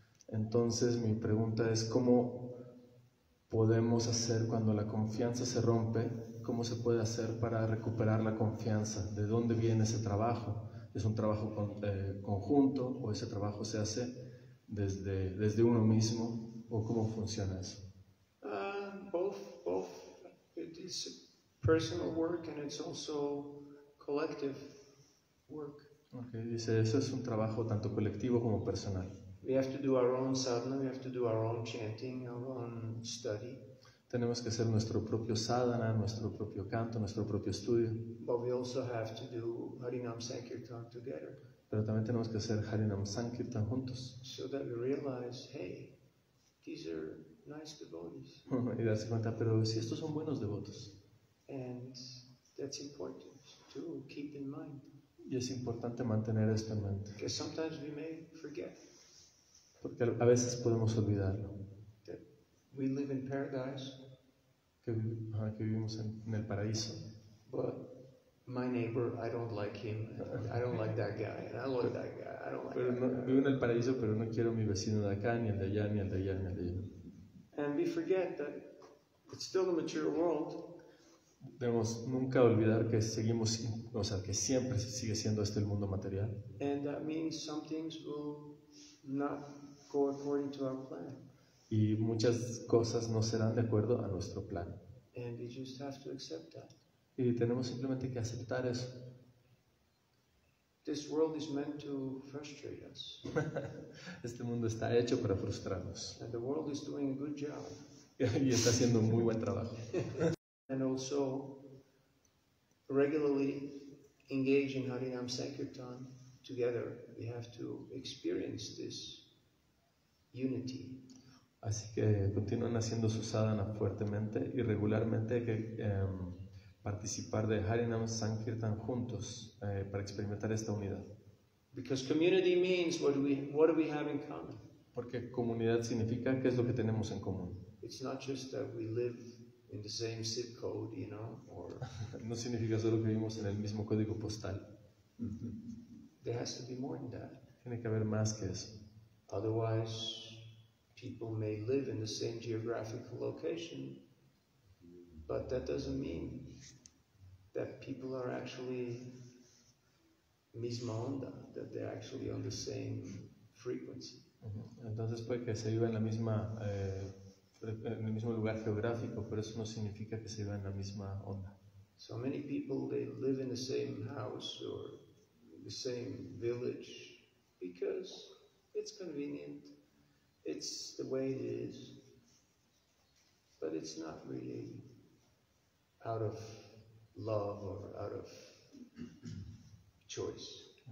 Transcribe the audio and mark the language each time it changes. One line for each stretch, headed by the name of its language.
Spanish: Entonces, mi pregunta es, ¿cómo podemos hacer cuando la confianza se rompe? ¿Cómo se puede hacer para recuperar la confianza? ¿De dónde viene ese trabajo? ¿Es un trabajo conjunto o ese trabajo se hace desde uno mismo? ¿O cómo funciona eso?
English: Both. It is personal work and it's also collective work.
Spanish: Okay, dice, eso es un trabajo tanto colectivo como personal.
English: We have to do our own sadhana, we have to do our own chanting, our own study.
Spanish: Tenemos que hacer nuestro propio sadhana, nuestro propio canto, nuestro propio estudio.
English: But we also have to do Harinam Sankirtan together.
Spanish: Pero también tenemos que hacer Harinam Sankirtan juntos.
English: So that we realize, hey, these are nice devotees.
Spanish: Y darse cuenta, pero si estos son buenos devotos.
English: And that's important to keep in mind.
Spanish: Y es importante mantener esto en mente. Que
English: sometimes we may forget.
Spanish: Porque a veces podemos olvidarlo.
English: That we live in paradise.
Spanish: Que vivimos en el paraíso.
English: But my neighbor, I don't like him. I don't like that guy. And I love that guy. I don't like
Spanish: pero
English: that
Spanish: no,
English: guy.
Spanish: Vivo en el paraíso, pero no quiero a mi vecino de acá, ni el de allá, ni el de allá, ni el de allá.
English: And we forget that it's still a mature world.
Spanish: Debemos nunca olvidar que seguimos, o sea, que siempre sigue siendo este el mundo material.
English: And that means some things will not go according to our plan.
Spanish: Y muchas cosas no serán de acuerdo a nuestro plan.
English: And we just have to accept that.
Spanish: Y tenemos simplemente que aceptar eso.
English: This world is meant to frustrate us.
Spanish: Este mundo está hecho para frustrarnos.
English: And the world is doing a good job.
Spanish: Y está haciendo un muy buen trabajo.
English: And also regularly engage in Harinam Sankirtan together, we have to experience this unity.
Spanish: Así que continúan haciendo su sadhana fuertemente y regularmente hay que participar de Harinam Sankirtan juntos para experimentar esta unidad.
English: Because community means what do we have in common?
Spanish: Porque comunidad significa qué es lo que tenemos en común.
English: It's not just that we live in the same zip code, you know, or
Spanish: no significa solo que vivimos en el mismo código postal.
English: There has to be more than that.
Spanish: Tiene que haber más que eso.
English: Otherwise, people may live in the same geographical location, but that doesn't mean that people are actually
Spanish: misma onda,
English: that they're actually on the same frequency.
Spanish: Entonces puede que se viva en la misma en el mismo lugar geográfico, pero eso no significa que se viva en la misma onda.
English: So many people, they live in the same house or the same village because it's convenient. It's the way it is, but it's not really out of love or out of choice.